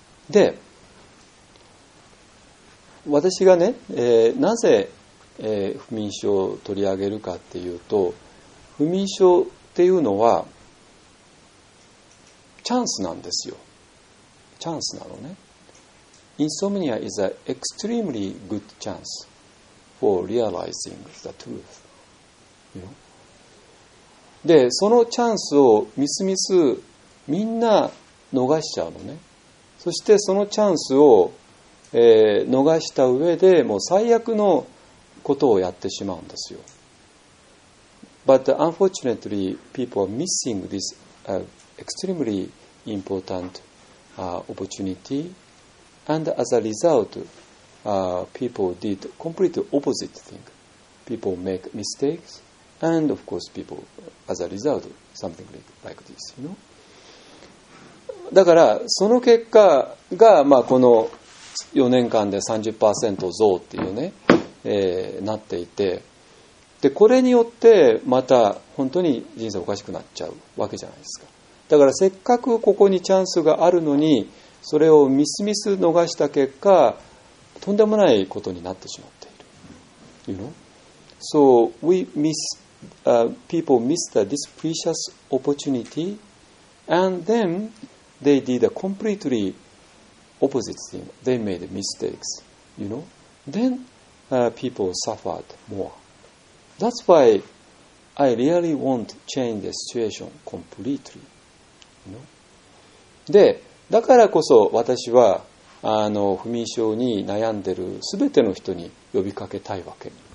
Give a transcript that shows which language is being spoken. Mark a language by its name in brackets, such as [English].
[Japanese] で、私がね、なぜ、不眠症を取り上げるかっていうと、不眠症っていうのはチャンスなんですよ。チャンスなのね。 [English] Insomnia is an extremely good chance for realizing the truth. You know? [Japanese] で、そのチャンスをみすみすみんな逃しちゃうのね。そしてそのチャンスを、逃した上でもう最悪のことをやってしまうんですよ。 [English] But unfortunately, people are missing this、extremely important、opportunity. And as a result,、people did complete opposite thing. People make mistakes. And of course, people, as a result, something like this, you know? [Japanese] だから、その結果が、まあ、この4年間で 30% 増っていうね、なっていて、で、これによって、また、本当に人生おかしくなっちゃうわけじゃないですか。だから、せっかくここにチャンスがあるのに、それをみすみす逃した結果、とんでもないことになってしまっている。 [English] You know? So, we miss... people missed this precious opportunity and then they did a completely opposite thing. They made mistakes, you know. Then、people suffered more. That's why I really want to change the situation completely, you know. [Japanese] で、だからこそ私は不眠症に悩んでる全ての人に呼びかけたいわけ。